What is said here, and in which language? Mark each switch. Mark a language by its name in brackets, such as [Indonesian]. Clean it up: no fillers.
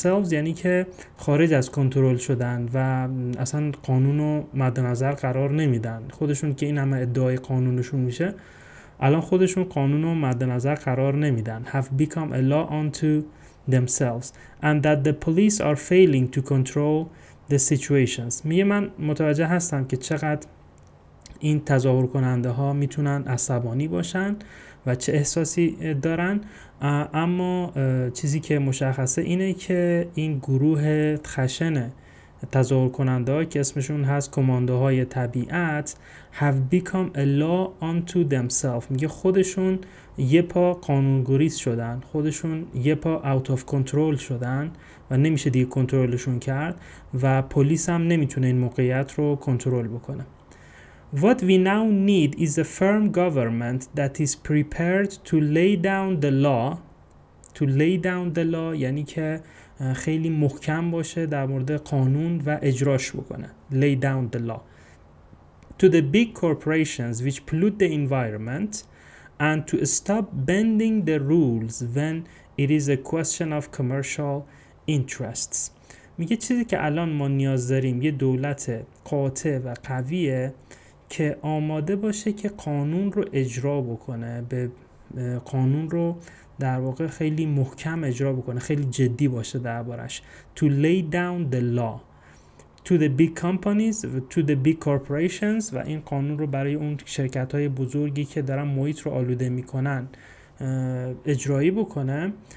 [Persian] یعنی که خارج از کنترل شدن و اصلا قانون رو مد نظر قرار نمیدن. خودشون که این همه ادعای قانونشون میشه، الان خودشون قانون رو مد نظر قرار نمیدن. [English] Have become a law unto themselves and that the police are failing to control the situations. [Persian] میگه من متوجه هستم که چقدر این تظاهر کننده ها میتونن عصبانی باشن و چه احساسی دارن، اما چیزی که مشخصه اینه که این گروه خشنه تظاهر کننده ها که اسمشون هست کماندوهای طبیعت، [English] have become a law unto themselves، [Persian] میگه خودشون یه پا قانونگریز شدن، خودشون یه پا [English] out of control [Persian] شدن و نمیشه دیگه کنترلشون کرد و پلیس هم نمیتونه این موقعیت رو کنترل بکنه. [English] What we now need is a firm government that is prepared to lay down the law. To lay down the law [Persian] یعنی که خیلی محکم باشه در مورد قانون و اجراش بکنه. [English] Lay down the law to the big corporations which pollute the environment and to stop bending the rules when it is a question of commercial interests. [Persian] میگه چیزی که الان ما نیاز داریم یه دولت قاطع و قویه که آماده باشه که قانون رو اجرا بکنه، به قانون رو در واقع خیلی محکم اجرا بکنه، خیلی جدی باشه دربارش. [English] To lay down the law to the big companies to the big corporations، [Persian] و این قانون رو برای اون شرکت‌های بزرگی که دارن محیط رو آلوده میکنن اجرایی بکنه.